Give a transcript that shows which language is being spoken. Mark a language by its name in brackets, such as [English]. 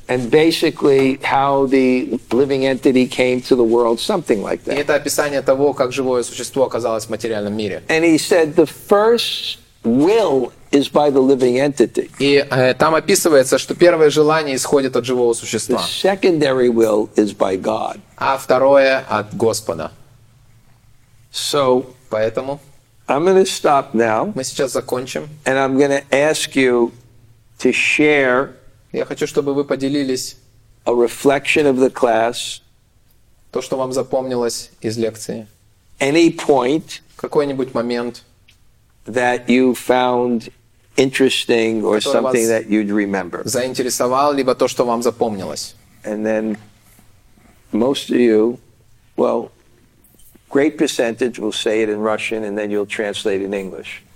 [English] And basically how the living entity came to the world, something like that. [Russian] И это описание того, как живое существо оказалось в материальном мире. [English] And he said the first will is by the living entity. [Russian] И там описывается, что первое желание исходит от живого существа. [English] The secondary will is by God. [Russian] А второе от Господа. [English] So, [Russian] поэтому [English] I'm going to stop now. [Russian] Мы сейчас закончим. [English] And I'm going to ask you to share. [Russian] Я хочу, чтобы вы поделились [English] a reflection of the class. [Russian] То, что вам запомнилось из лекции. [English] Any point, [Russian] какой-нибудь момент [English] that you found interesting or something that you'd remember. [Russian] Заинтересовал либо то, что вам запомнилось. [English] And then most of you, well, great percentage will say it in Russian and then you'll translate in English.